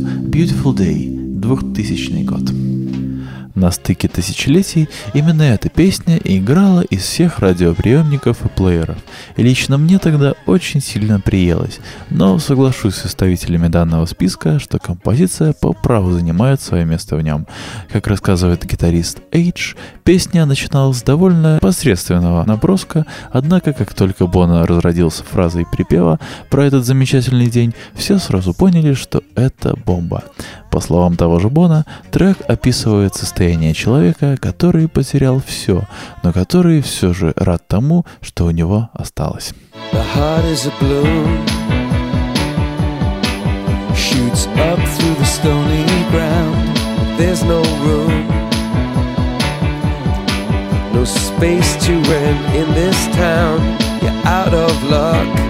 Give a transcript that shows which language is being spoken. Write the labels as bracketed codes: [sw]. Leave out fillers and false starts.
[ru] Beautiful Day, 2000 год. на стыке тысячелетий именно эта песня играла из всех радиоприемников и плееров. И лично мне тогда очень сильно приелось, но соглашусь с составителями данного списка, что композиция по праву занимает свое место в нем. Как рассказывает гитарист Эйдж, песня начиналась с довольно посредственного наброска, однако как только Боно разродился фразой припева про этот замечательный день, все сразу поняли, что это бомба. По словам того же Боно, трек описывает состояние человека, который потерял все, но который все же рад тому, что у него осталось. [en] The heart is a blue. Shoots up through the stony ground. There's no room. No space to rent in this town. You're out of luck.